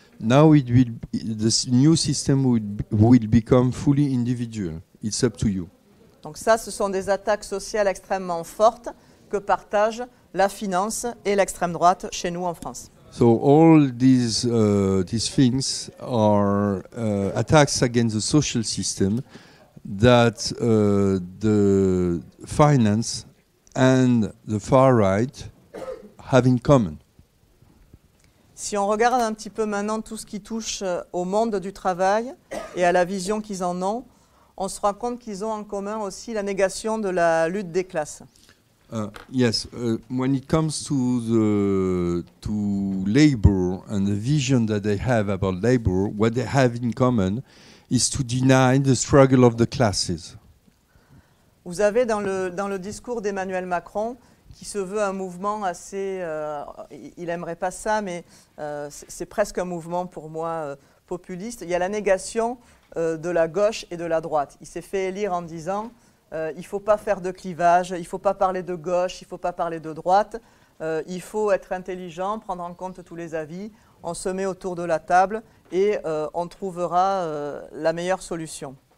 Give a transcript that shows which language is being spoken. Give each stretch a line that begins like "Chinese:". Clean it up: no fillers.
English: Now it will this new system will become fully individual. It's up to you.
French: Donc ça, ce sont des attaques sociales extrêmement fortes que partagent la finance et l'extrême droite chez nous en France.
English: So all these things are attacks against the social system that the finance and the far right have in common.
French: Si on regarde un petit peu maintenant tout ce qui touche au monde du travail et à la vision qu'ils en ont, on se rend compte qu'ils ont en commun aussi la négation de la lutte des classes.
English: Yes, when it comes to labor and the vision that they have about labor, what they have in common is to deny the struggle of the classes.
French: Vous avez dans le discours d'Emmanuel Macron qui se veut un mouvement assez, il n'aimerait pas ça, mais c'est presque un mouvement pour moi populiste. Il y a la négation de la gauche et de la droite. Il s'est fait élire en disant, il ne faut pas faire de clivage, il ne faut pas parler de gauche, il ne faut pas parler de droite, il faut être intelligent, prendre en compte tous les avis, on se met autour de la table et on trouvera la meilleure solution.